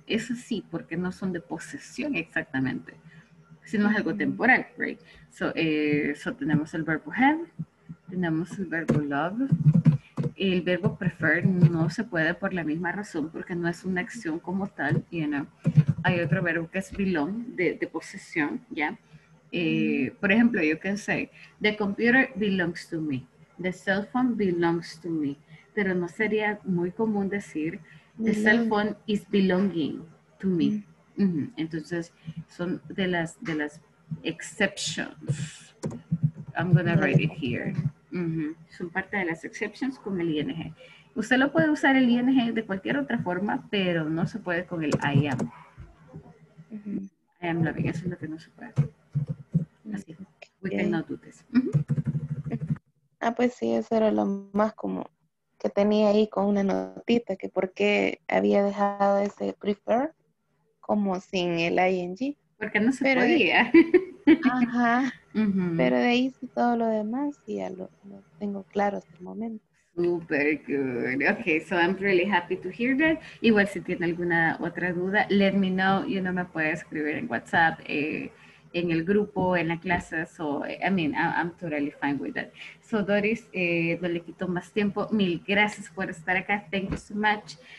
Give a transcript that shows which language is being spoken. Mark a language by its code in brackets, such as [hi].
[es] Eso sí, porque no son de posesión exactamente, sino es algo temporal, right? So tenemos el verbo have, tenemos el verbo love. El verbo prefer no se puede por la misma razón, porque no es una acción como tal, [en] you know. [es] Hay otro verbo que es belong, de posesión, ¿ya? Por ejemplo, [en] you can say, the computer belongs to me. The cell phone belongs to me. [es] Pero no sería muy común decir, [en] the cell phone is belonging to me. Mm-hmm. [es] Entonces, son de las exceptions. [en] I'm going to write it here. Mm-hmm. [es] Son parte de las exceptions con el ING. Usted lo puede usar el ING de cualquier otra forma, pero no se puede con el I am. [en] Mm-hmm. I am loving. [es] Eso es lo que no se puede. Así. [en] We cannot do this. Mm-hmm. [es] Ah, pues sí, eso era lo más común que tenía ahí con una notita, que por qué había dejado ese prefer como sin el ing. Porque no se podía. Ajá. Uh-huh. Pero de ahí sí todo lo demás y ya lo tengo claro hasta el momento. [en] Super good. Okay, so I'm really happy to hear that. [es] Igual si tiene alguna otra duda, [en] let me know. You know, [es] me puede escribir en WhatsApp. En el grupo, en la clase, [en] so, I mean, I'm totally fine with that. [es] So, Doris, no le quito más tiempo. Mil gracias por estar acá. [en] Thank you so much.